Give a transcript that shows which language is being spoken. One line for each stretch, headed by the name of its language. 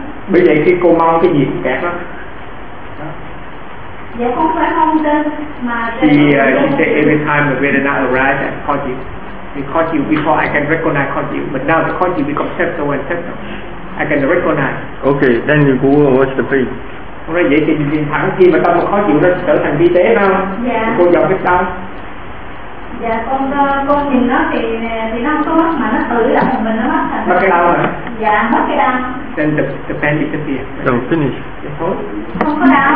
Vietnamese: Bởi vậy khi cô mong cái gì cũng kẹt lắm. Dạ không phải mong tên mà
English: She said every time when I arrive I caught you. I caught you before I can recognize caught you. But now the caught you become settled and settled. I can recognize. Okay, then you go and watch the thing.
Vietnamese: Không nói vậy thì mình nhìn thẳng khi mà tâm mà khó chịu nó trở thành vi tế nào. Dạ. Cô dọc cái tâm. Dạ con nhìn nó thì nó không có mà nó tự động mình nó mất thành. Mất cái đau hả? Dạ, mất cái đau.
English: Then the pain disappears. So finish.
Vietnamese: Không có đau